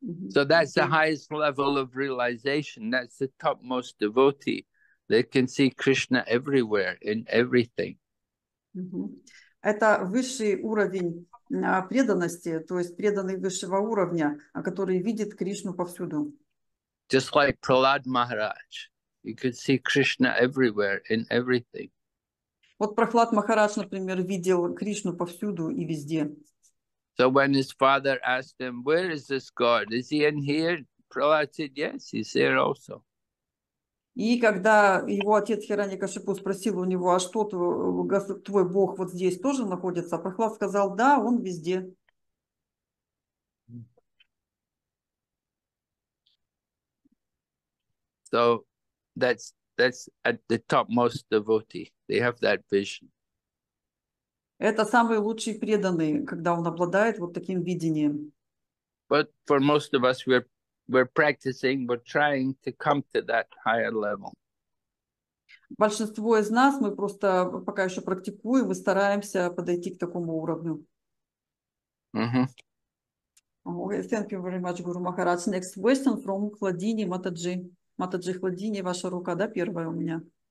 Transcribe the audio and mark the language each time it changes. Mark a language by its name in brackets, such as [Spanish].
[English] So that's the highest level of realization. That's the topmost devotee. They can see Krishna everywhere, in everything. [Russian] Это высший уровень преданности, то есть преданный высшего уровня, который видит Кришну повсюду. [English] Just like Prahlad Maharaj, you could see Krishna everywhere, in everything. [Russian] Вот Прохлад Махарадж, например, видел Кришну повсюду и везде. [English] So when his father asked him, where is this God? Is he in here? Prahlad said, yes, he's here also. [Russian] И когда его отец Хираньякашипу спросил у него, а что твой Бог вот здесь тоже находится, Прохлад сказал, да, он везде. [English] So that's at the topmost devotee. They have that vision. [Russian] Это самый лучший преданный, когда он обладает вот таким видением. [English] But for most of us, we're practicing, we're trying to come to that higher level. [Russian] Большинство из нас, мы просто пока еще практикуем, мы стараемся подойти к такому уровню. [English] Okay, thank you very much, Guru Maharaj. Next question from Kladini Mataji. [Russian] Матаджи Хладини, ваша рука, да, первая у меня?